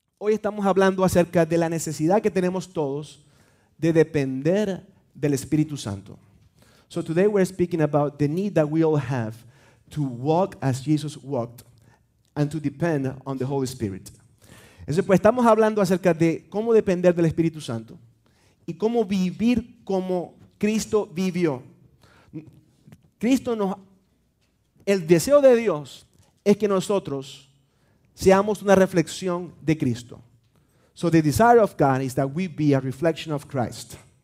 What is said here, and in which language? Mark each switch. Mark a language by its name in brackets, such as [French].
[Spanish] Hoy estamos hablando acerca de la necesidad que tenemos todos de depender del Espíritu Santo. [English] So today we're speaking about the need that we all have to walk as Jesus walked and to depend on the Holy Spirit. [Spanish] Entonces, pues estamos hablando acerca de cómo depender del Espíritu Santo y cómo vivir como Cristo vivió. Cristo nos, el deseo de Dios es que nosotros seamos una reflexión de Cristo. [English] So the desire of God is that we be a reflection of Christ.